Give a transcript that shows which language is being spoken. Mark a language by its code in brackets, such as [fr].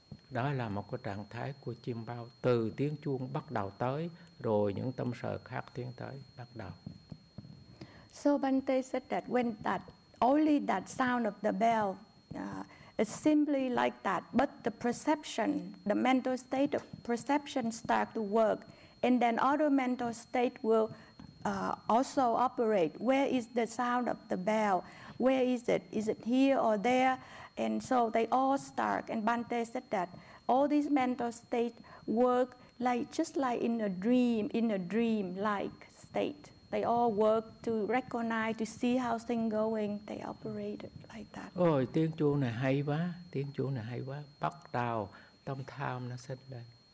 [vi] Đó là một cái trạng thái của chim bao, từ tiếng chuông bắt đầu tới rồi những tâm sở khác tiến tới bắt đầu. [en] So Bhante said that when that only that sound of the bell is simply like that, but the perception, the mental state of perception start to work, and then other mental state will also operate. Where is the sound of the bell? Where is it? Is it here or there? And so they all start, and Bhante said that all these mental states work like just like in a dream-like state. They all work to recognize, to see how things going. They operate like that. [vi] Ôi, tiếng chuông này hay quá. Tiếng chuông này hay quá. Bắt đầu tâm tham nó sinh lên.